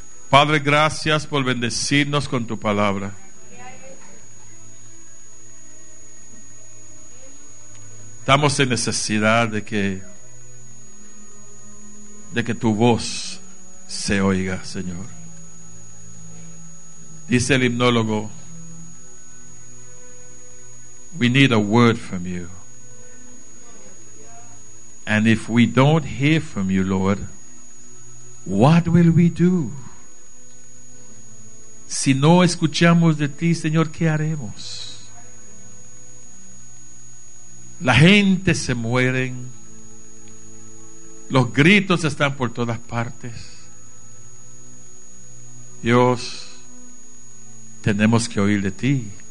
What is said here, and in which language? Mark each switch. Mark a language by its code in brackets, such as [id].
[es] Padre, gracias por bendecirnos con tu palabra. Estamos en necesidad de que tu voz se oiga, Señor. Dice el hipnólogo, [en] we need a word from you. And if we don't hear from you, Lord, what will we do? [es] Si no escuchamos de ti, Señor, ¿qué haremos? La gente se muere, los gritos están por todas partes. Dios, tenemos que oír de ti.